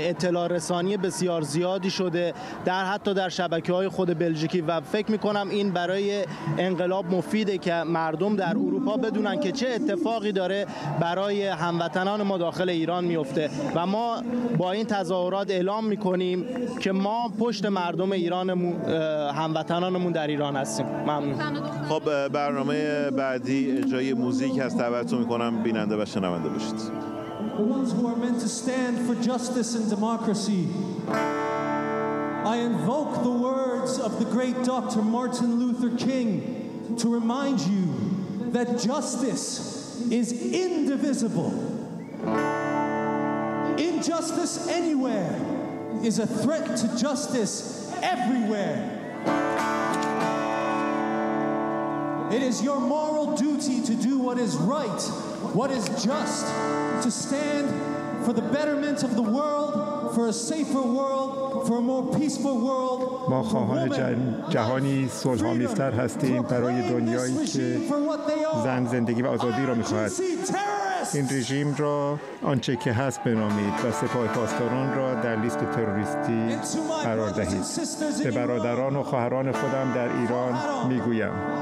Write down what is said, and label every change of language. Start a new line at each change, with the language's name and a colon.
Persian: اطلاع رسانی بسیار زیادی شده در حتی در شبکه‌های خود بلژیکی و فکر میکنم این برای انقلاب مفیده که مردم در اروپا بدونن که چه اتفاقی داره برای هموطنان ما داخل ایران میفته. و ما با این تظاهرات اعلام میکنیم که ما پشت مردم ایران، هموطنانمون در ایران هستیم. ممنون. خب برنامه بعدی جای موزیک هست. دعوتتون میکنم بیننده و شنونده باشید.
English: The ones who are meant to stand for justice and democracy. I invoke the words of the great Dr. Martin Luther King to remind you that justice is indivisible. Injustice anywhere is a threat to justice everywhere. It is your moral duty to do what is right, what is just, to stand for the betterment of the world, for a safer world, for a more peaceful world.
Persian: ما خواهان جهانی صلح‌آمیزتر هستیم، برای دنیایی که زن، زندگی و آزادی را می‌خواهد. این رژیم را آنچه که هست بنامید و سپاه پاسداران را در لیست تروریستی قرار دهید. به برادران و خواهران خودم در ایران می‌گویم.